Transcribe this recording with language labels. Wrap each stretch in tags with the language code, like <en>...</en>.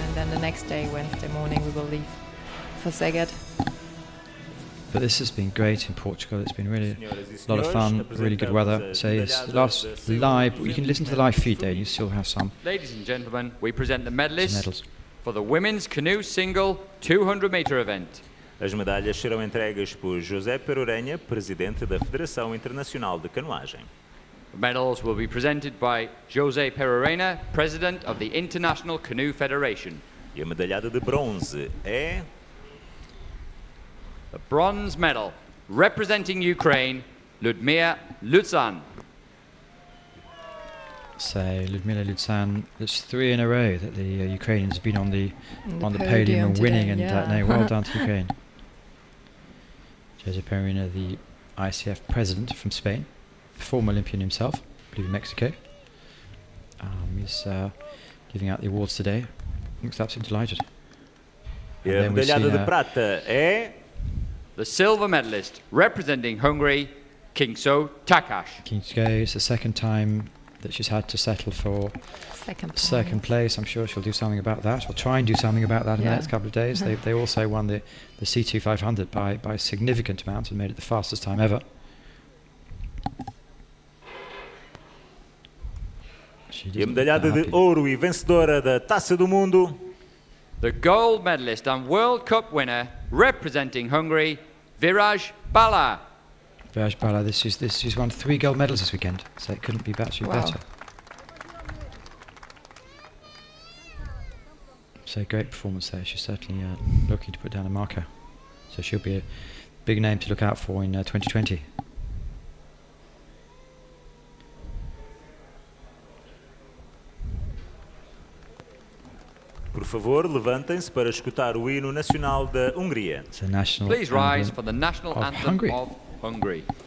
<en>And then the next day, Wednesday morning, we will leave for Seged. But this has been great in Portugal. It's been really a lot of fun, really good weather. So it's last live. You can listen to the live feed there and you still have some. Ladies and gentlemen, we present the medalists for the Women's Canoe Single 200 Meter Event.</en> <pt>As medalhas serão entregues por José Perurenha, presidente da Federação Internacional de Canoagem.</pt> <en>The medals will be presented by José Perurenha, president of the International Canoe Federation.</en> <pt>E a medalhada de bronze é...</pt> <en>A bronze medal, representing Ukraine, Ludmila Lutsan. So, Ludmila Lutsan, it's three in a row that the Ukrainians have been on the podium and winning. Today, and yeah. Well done to Ukraine. Joseph Perina, the ICF president from Spain, former Olympian himself, I believe in Mexico. He's giving out the awards today. Looks absolutely delighted. Yeah, and then we see, prata, eh? The silver medalist representing Hungary, Kingso Takash. Kingso is the second time that she's had to settle for second place. I'm sure she'll do something about that, or try and do something about that in the next couple of days. They also won the C2 500 by a significant amount and made it the fastest time ever. She did.</en> <pt>E a medalhada de ouro e vencedora da Taça do Mundo.</pt> <en>The gold medalist and World Cup winner representing Hungary, Viraj Bala. Viraj Bala, this is won three gold medals this weekend, so it couldn't be actually better. So great performance there. She's certainly looking to put down a marker. So she'll be a big name to look out for in 2020.</en> <pt>Por favor, levantem-se para escutar o hino nacional da Hungria.</pt> <en>Please rise for the national anthem of Hungary.</en>